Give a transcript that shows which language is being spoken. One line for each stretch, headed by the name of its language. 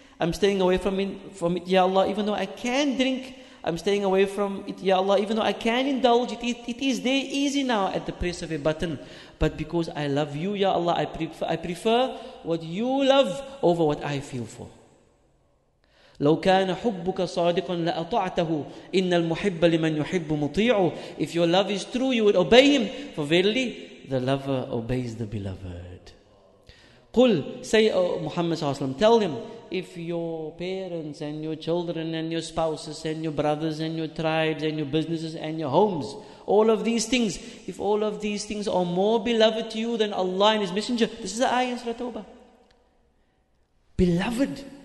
English: I'm staying away from it, Ya Allah, even though I can drink. I'm staying away from it, Ya Allah, even though I can indulge it. It is there easy now at the press of a button. But because I love You, Ya Allah, I prefer what You love over what I feel for.
Arabic: لو كان حبك صادقا لأطعته إن المحب لمن يحب مطيعه.
English: If your love is true, you would obey him. For verily, the lover obeys the beloved. قل, say, oh, Muhammad
Arabic: صلى الله عليه وسلم,
English: tell him, if your parents and your children and your spouses and your brothers and your tribes and your businesses and your homes, all of these things, if all of these things are more beloved to you than Allah and His Messenger, this is the ayah in Surah Tawbah. Beloved.